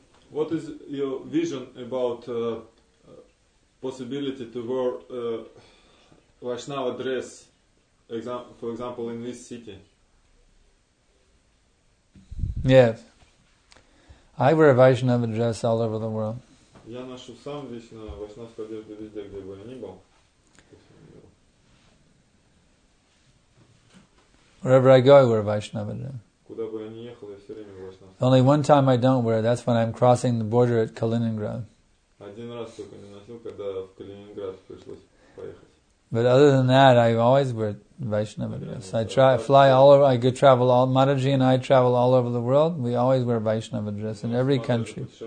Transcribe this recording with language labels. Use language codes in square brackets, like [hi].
[en] What is your vision about possibility to wear Vaishnava dress, for example, in this city? Yes, I wear a Vaishnava dress all over the world. [ru] Я ношу сам весь на вайшнавскую одежду везде, где бы я ни был. [en] Wherever I go, I wear Vaishnava dress. [ru] Куда бы я ни ехал, я все время вайшнав. [en] Only one time I don't wear, that's when I'm crossing the border at Kaliningrad. [ru] Один раз только не носил, когда в Калининград пришлось поехать. [en] But other than that, I always wear Vaishnava dress. I try, fly all over, I could travel all, Mataji and I travel all over the world, we always wear Vaishnava dress in every country.